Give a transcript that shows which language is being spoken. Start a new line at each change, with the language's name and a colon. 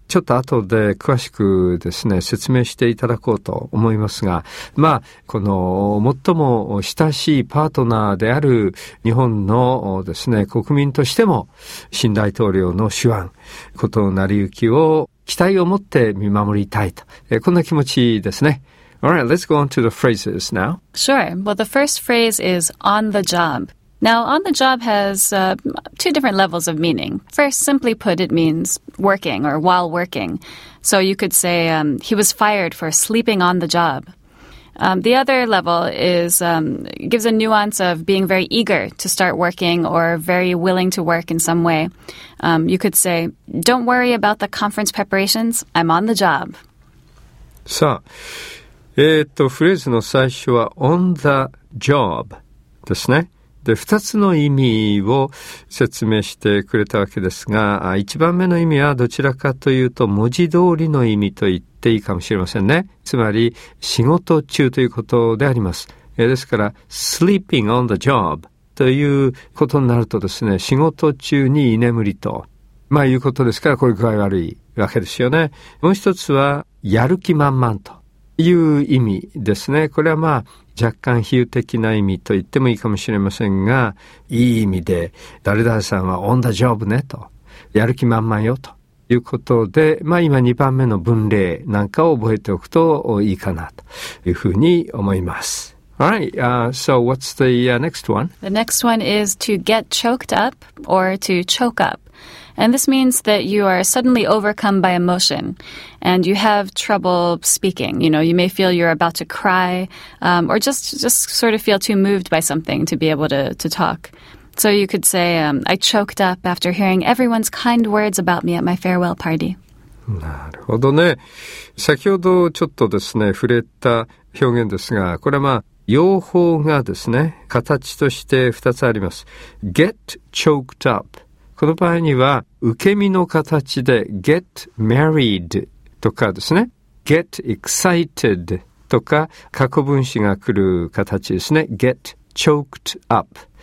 Japanese: ちょっと後で詳しくですね説明していただこうと思いますが、まあこの最も親しいパートナーである日本のですね国民としても新大統領の手腕ことの成り行きを期待を持って見守りたいと、こんな気持ちですね。
English: Alright, let's go on to the phrases now. Sure. Well, the first phrase is on the job. Now, on the job has two different levels of meaning. First, simply put, it means working or while working. So you could say he was fired for sleeping on the job. The other level is gives a nuance of being very eager to start working or very willing to work in some way. You could say, don't worry about the conference preparations, I'm on the job.
Japanese: さあ、フレーズの最初は
English: on the job
Japanese: ですね。で、二つの意味を説明してくれたわけですが、一番目の意味はどちらかというと文字通りの意味と言っていいかもしれませんね。つまり仕事中ということであります。ですから、
English: sleeping on the job
Japanese: ということになるとですね、仕事中に居眠りと、まあいうことですから、これ具合悪いわけですよね。もう一つは、やる気満々という意味ですね。これはまあ、若干比喩的な意味と言ってもいいかもしれませんが、いい意味で、誰々さんはオンダジョブねと、やる気満々よということで、まあ今2番目の文例なんかを覚えておくといいかなというふうに思います。
English: Alright, so what's the next one? The next one is to get choked up or to choke up. And this means that you are suddenly overcome by emotion and you have trouble speaking. You know, you may feel you're about to cry or just sort of feel too moved by something to be able to talk. So you could say, I choked up after hearing everyone's kind words about me at my farewell party.
Japanese: なるほどね。先ほどちょっとですね、触れた表現ですが、これはまあ、用法がですね、形として二つあります。
English: get choked up。
Japanese: この場合には、受け身の形で
English: get married
Japanese: とかですね、
English: get excited
Japanese: とか、過去分詞が来る形ですね、get choked up。